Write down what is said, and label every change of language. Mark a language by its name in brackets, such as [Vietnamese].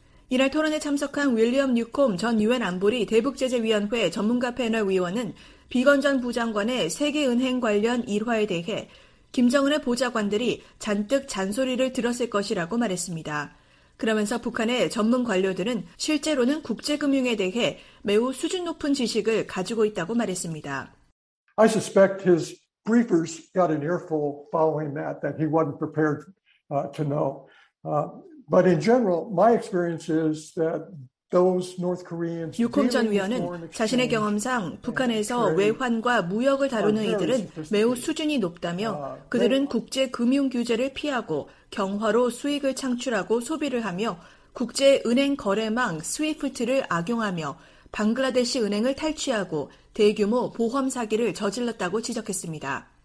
[Korean] 이날 토론에 참석한 윌리엄 뉴콤 전 유엔 안보리 대북제재위원회 전문가 패널 위원은 비건 전 부장관의 세계은행 관련 일화에 대해 김정은의 보좌관들이 잔뜩 잔소리를 들었을 것이라고 말했습니다. 그러면서 북한의 전문 관료들은 실제로는 국제금융에 대해 매우 수준 높은 지식을 가지고 있다고 말했습니다. [English] I suspect his briefers got an earful following that, that he wasn't prepared to know. But in general, my experience is that those North Koreans... [Korean] 유콤 전 위원은 자신의 경험상 북한에서 외환과 무역을 다루는 이들은 매우 수준이 높다며 그들은 국제금융 규제를 피하고 경화로 수익을 창출하고 소비를 하며 국제 은행 거래망 스위프트를 악용하며 방글라데시 은행을 탈취하고 대규모 보험 사기를 저질렀다고 지적했습니다.